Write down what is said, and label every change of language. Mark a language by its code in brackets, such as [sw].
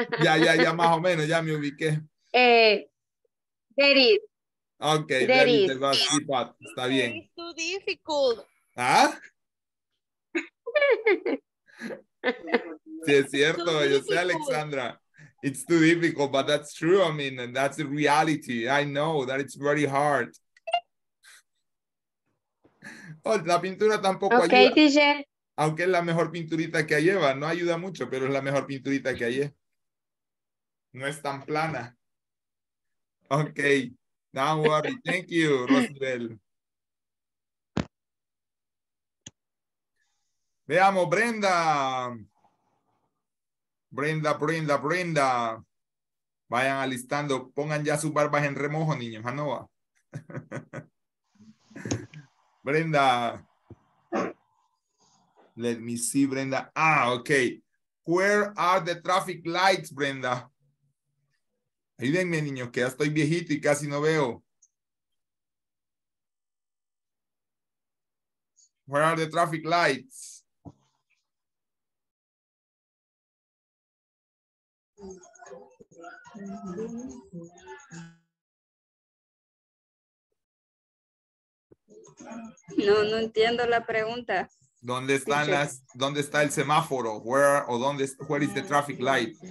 [es] Ya más o menos, ya me ubiqué. [en] There is. Okay, there is. [es] Está bien. [en] It's too difficult. ¿Ah? [es] Sí, es cierto, yo sé, Alexandra. [en] It's too difficult, but that's true. I mean, and that's the reality. I know that it's very hard. [es] Oh, la pintura tampoco [en] okay, [es] ayuda. [en] Okay, teacher. [es] Aunque es la mejor pinturita que lleva, no ayuda mucho, pero es la mejor pinturita que hallé. No es tan plana. [en] Okay, don't worry. Thank you, Rosabel. [es] Veamos, Brenda. Brenda. Vayan alistando. Pongan ya sus barbas en remojo, niño. Janova. Brenda. [en] Let me see, Brenda. Ah, okay. Where are the traffic lights, Brenda? [es] Ayúdenme, niño, que ya estoy viejito y casi no veo. [en] Where are the traffic lights? [es] No entiendo la pregunta. ¿Dónde están teacher? ¿Dónde está el semáforo? [en] Where is the traffic light?